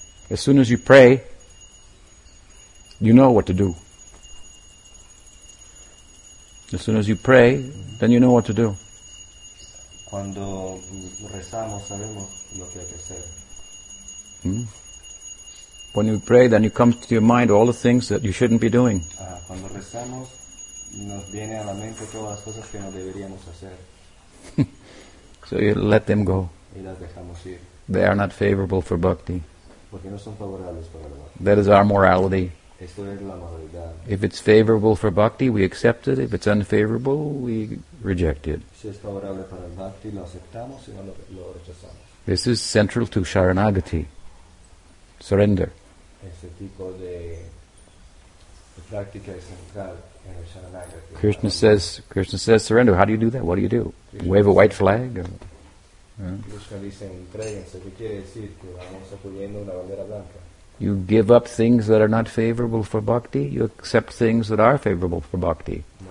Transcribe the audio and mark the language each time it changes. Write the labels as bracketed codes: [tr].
[en] As soon as you pray, you know what to do. As soon as you pray, then you know what to do. [es] Cuando rezamos, sabemos lo que hay que hacer. [en] When you pray, then it comes to your mind all the things that you shouldn't be doing. [es] Cuando rezamos, nos viene a la mente todas las cosas que no deberíamos hacer. [en] So you let them go. [es] Y las dejamos ir. [en] They are not favorable for bhakti. [es] Porque no son favorables para la bhakti. [en] That is our morality. [es] Esto es la moralidad. [en] If it's favorable for bhakti, we accept it. If it's unfavorable, we reject it. [es] Si es favorable para el bhakti, lo aceptamos, si no, lo rechazamos. [en] This is central to sharanagati, surrender. [es] Este tipo de práctica es central en el sharanagati. [en] Krishna says, surrender. How do you do that? What do you do? Krishna wave a white flag? [es] Krishna dice, entréguense. ¿Qué quiere decir? Que vamos sacudiendo una bandera blanca. [en] You give up things that are not favorable for bhakti, you accept things that are favorable for bhakti.